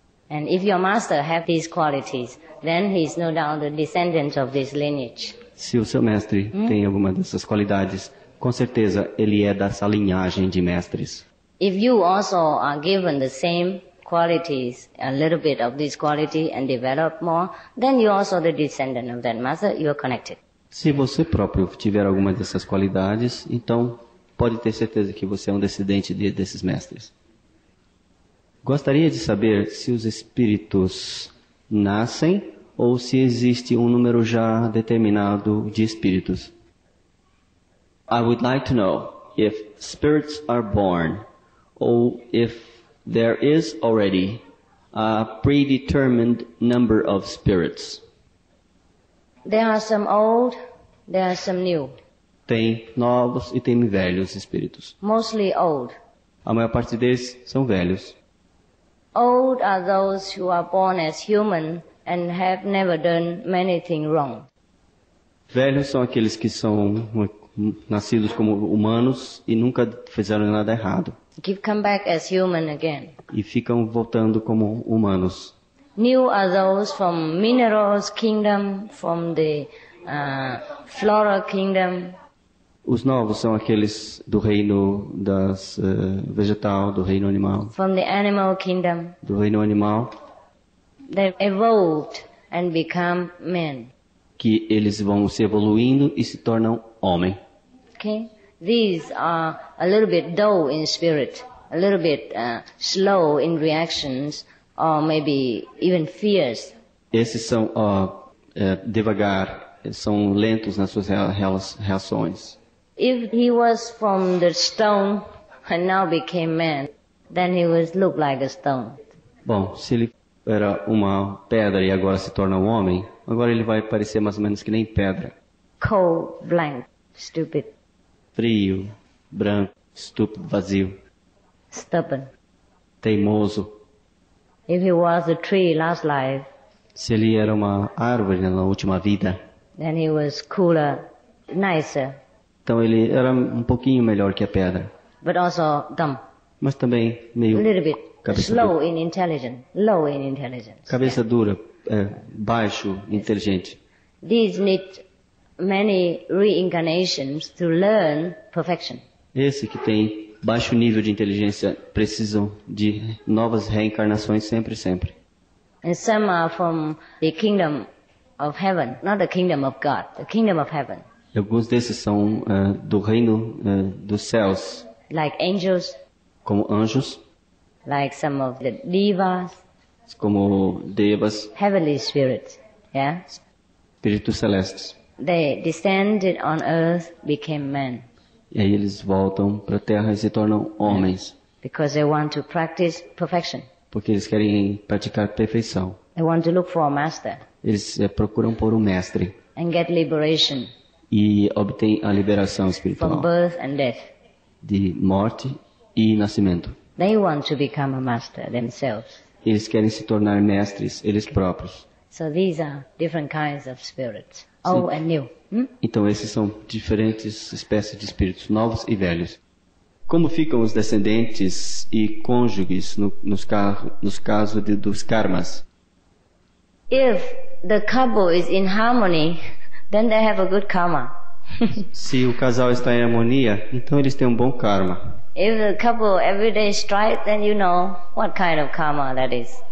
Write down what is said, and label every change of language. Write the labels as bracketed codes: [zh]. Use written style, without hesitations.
[en] And if your master have these qualities, then he is no doubt the descendant of this lineage. [pt] Se o seu mestre tem alguma dessas qualidades, com certeza ele é dessa linhagem de mestres. [en] If you also are given the same qualities, a little bit of this quality and develop more, then you also the descendant of that master, you are connected. [pt] Se você próprio tiver alguma dessas qualidades, então pode ter certeza que você é um descendente desses mestres. Gostaria de saber se os espíritos nascem ou se existe um número já determinado de espíritos. [en] I would like to know if spirits are born or if there is already a predetermined number of spirits. There are some old, there are some new. [pt] Tem novos e tem velhos espíritos. [en] Mostly old. [pt] A maior parte deles são velhos. [en] Old are those who are born as human and have never done anything wrong. [pt] Velhos são aqueles que são nascidos como humanos e nunca fizeram nada errado. [en] Come back as human again. [pt] E ficam voltando como humanos. [en] New are those from minerals kingdom, from the flora kingdom. [pt] Os novos são aqueles do reino das vegetal, do reino animal. [en] From the animal kingdom. [pt] Do reino animal. [en] They evolved and become men. [pt] Que eles vão se evoluindo e se tornam homem. [en] Ok. Okay? These are a little bit dull in spirit, a little bit slow in reactions, or maybe even fierce. [pt] Esses são devagar, são lentos nas suas reações. [en] If he was from the stone and now became man, then he would look like a stone. [pt] Bom, se ele era uma pedra e agora se torna um homem, agora ele vai parecer mais ou menos que nem pedra. [en] Cold, blank, stupid. [pt] Frio, branco, estúpido, vazio. [en] Stubborn. [pt] Teimoso. [en] If he was a tree last life, [pt] se ele era uma árvore na última vida, [en] then he was cooler, nicer. [pt] Então ele era um pouquinho melhor que a pedra. [en] But also dumb. [pt] Mas também meio... [en] A little bit. Slow in intelligence. Low in intelligence. [pt] Cabeça dura, baixo, inteligente. [en] These need many reincarnations to learn perfection. [pt] Esse que tem baixo nível de inteligência precisam de novas reencarnações sempre, sempre. [en] And some are from the kingdom of heaven, not the kingdom of God, the kingdom of heaven. [pt] Alguns desses são do reino dos céus. [en] Like angels. [pt] Como anjos. [en] Like some of the devas. [pt] Como devas. [en] Heavenly spirits, yeah? [pt] Espíritos celestes. [en] They descended on earth, became men. [pt] E aí eles voltam para a terra e se tornam homens. [en] Because they want to practice perfection. [pt] Porque eles querem praticar perfeição. [en] They want to look for a master. [pt] Eles procuram por mestre. [en] And get liberation. [pt] E obtêm a liberação espiritual. [en] From birth and death. [pt] De morte e nascimento. [en] They want to become a master themselves. [pt] Eles querem se tornar mestres eles próprios. [en] So these are different kinds of spirits, old and new. Hmm? [pt] Então esses são diferentes espécies de espíritos, novos e velhos. Como ficam os descendentes e cônjuges nos casos dos karmas? [en] If the couple is in harmony, then they have a good karma. [pt] Se o casal está em harmonia, então eles têm um bom karma. [en] If a couple every day strike, then you know what kind of karma that is.